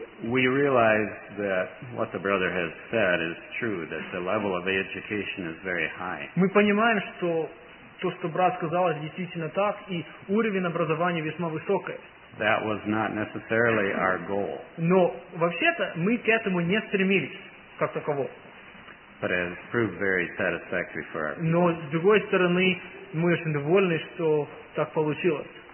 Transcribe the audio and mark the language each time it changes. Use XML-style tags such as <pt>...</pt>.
<en>We realize that what the brother has said is true, that the level of education is very high.</en> <ru>Мы понимаем, что то, что брат сказал, действительно так, и уровень образования весьма высокий.</ru> <en>That was not necessarily our goal.</en> <ru>Но вообще-то мы к этому не стремились как таково.</ru> <en>But it has proved very satisfactory for us.</en> <ru>Но с другой стороны, мы очень довольны, что так получилось.</ru>